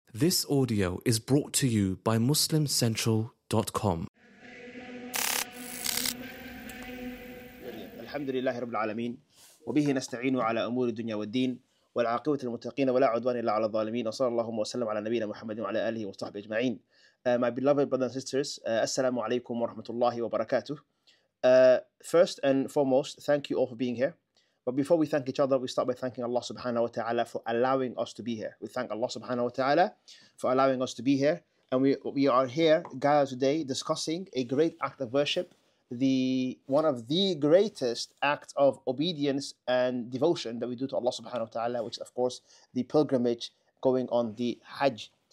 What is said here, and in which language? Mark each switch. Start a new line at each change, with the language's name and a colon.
English: This audio is brought to you by MuslimCentral.com.
Arabic: الحمد لله رب العالمين وبه نستعين على أمور الدنيا والدين والعاقبة المتقين ولا عدوان إلا على الظالمين وصلى الله وسلم على نبينا محمد وعلى آله وصحبه أجمعين.
English: My beloved brothers and sisters, assalamu alaikum wa rahmatullahi wa barakatuh. First and foremost, thank you all for being here. But before we thank each other, we start by thanking Allah subhanahu wa ta'ala for allowing us to be here. We thank Allah subhanahu wa ta'ala for allowing us to be here. And we are here, gathered today, discussing a great act of worship, the one of the greatest acts of obedience and devotion that we do to Allah subhanahu wa ta'ala, which is, of course, the pilgrimage going on the Hajj.